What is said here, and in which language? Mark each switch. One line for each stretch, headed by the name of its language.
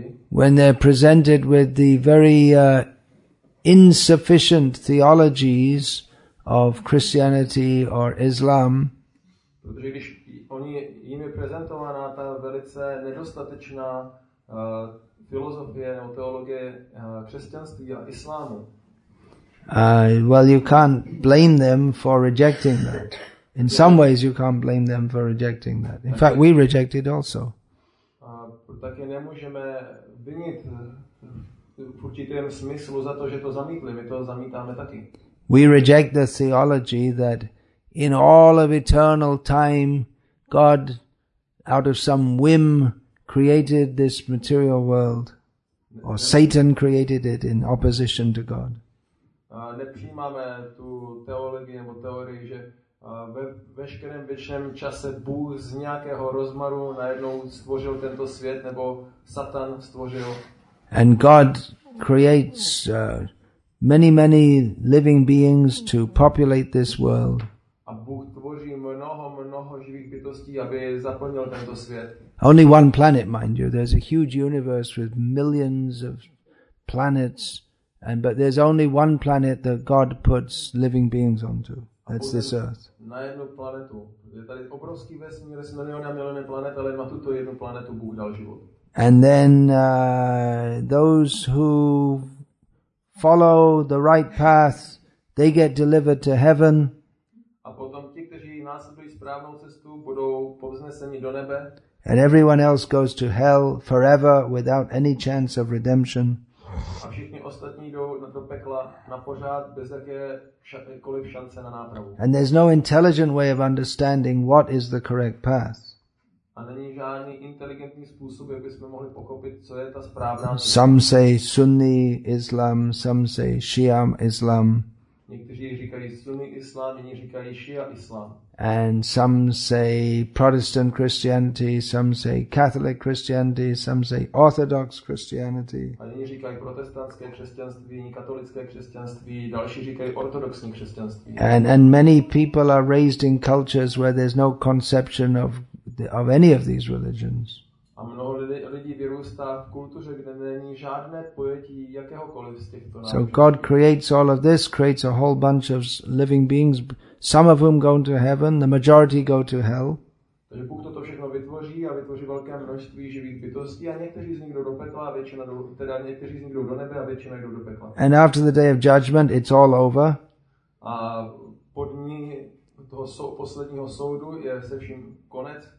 English: When they're presented with the very insufficient theologies of Christianity or Islam,
Czech: oni jim je prezentovaná ta velice nedostatečná filozofie nebo teologie křesťanství a islámu.
English: Well, you can't blame them for rejecting that. In some ways you can't blame them for rejecting that. In fact, we reject it also.
Czech: Taky nemůžeme vinit v určitém smyslu za to, že to zamítli. My to zamítáme taky.
English: We reject the theology that in all of eternal time God, out of some whim, created this material world, or Satan created it in opposition to God.
Czech: Nepřijímáme tu teologii nebo teorii, že ve veškerém věčném čase Bůh z nějakého rozmaru najednou stvořil tento svět, nebo Satan stvořil.
English: And God creates many living beings to populate this world.
Czech: A Bůh tvoří mnoho živých bytostí, aby zaplnil tento svět.
English: Only one planet, mind you. There's a huge universe with millions of planets, but there's only one planet that God puts living beings onto. That's this Earth.
Czech: Na jednu planetu. Je tady obrovský vesmír s miliony a miliony planet, ale na tuto jednu planetu Bůh dal život.
English: And then those who follow the right path, they get delivered to heaven.
Czech: A potom ti, kteří následují správnou cestu, budou povzneseni do nebe.
English: And everyone else goes to hell forever without any chance of redemption.
Czech: A všichni ostatní jdou do pekla na pořád bez jakékoliv šance na nápravu.
English: And there's no intelligent way of understanding what is the correct path.
Czech: A není žádný inteligentní způsob, jak bychom mohli pochopit, co je ta správná.
English: Some say Sunni Islam, some say Shia Islam.
Czech: Někteří říkají Sunni Islám, jiní říkají Shia Islám.
English: And some say Protestant Christianity, some say Catholic Christianity, some say Orthodox Christianity.
Czech: A jiní říkají protestantské křesťanství, jiní katolické křesťanství, další říkají ortodoxní křesťanství.
English: And many people are raised in cultures where there's no conception of any of these religions.
Czech: A mnoho lidí vyrůstá v kultuře, kde není žádné pojetí jakéhokoliv z těchto náboženství.
English: So God creates all of this, creates a whole bunch of living beings, some of whom go to heaven, the majority go to hell.
Czech: Takže Bůh toto všechno vytvoří a vytvoří velké množství živých bytostí a někteří z nich jdou do pekla, a většina jdou, teda někteří z nich jdou do nebe a většina jdou do pekla.
English: And after the day of judgment, it's all over.
Czech: A po dní toho posledního soudu je se vším konec.